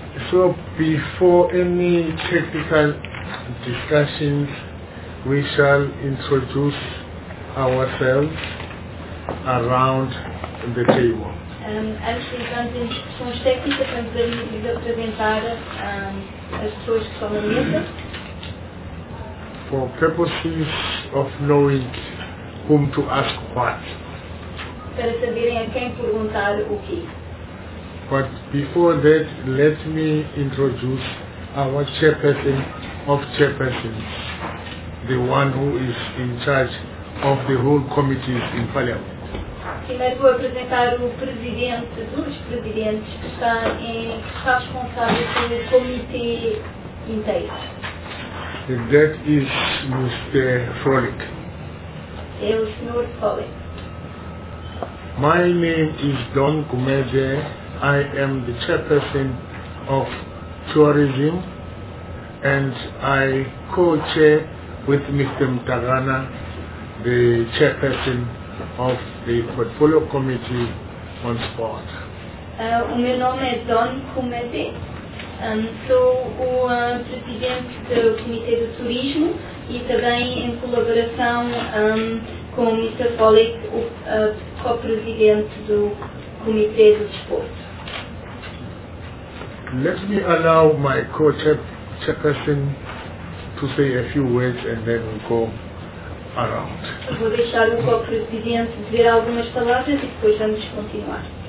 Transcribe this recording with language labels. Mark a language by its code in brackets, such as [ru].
[en] So, before any technical discussions, we shall introduce ourselves around the table. [pt] Antes de entrarmos em discussões técnicas, vamos apresentar as pessoas que estão na mesa. [en] For purposes of knowing whom to ask what. [pt] Para saberem a quem perguntar o quê. [en] But before that, let me introduce our chairperson of chairpersons, the one who is in charge of the whole committees in Parliament. [pt] Primeiro vou apresentar o presidente dos presidentes que está, que está responsável pelo comitê inteiro. [en] That is Mr. Frolic. [pt] É o Sr. Frolic. [en] My name is Don Gumede. I am the chairperson of tourism and I co-chair with Mr. Mtagana, the chairperson of the portfolio committee on sport. [pt] O meu nome é Don Gumede. Sou o presidente do comitê do turismo e também em colaboração com o Mr. Folic, o co-presidente do comitê do desporto. [en] Let me allow my co-chairperson to say a few words and then we'll go around. [pt] Vou deixar o co-presidente dizer algumas palavras e depois vamos continuar.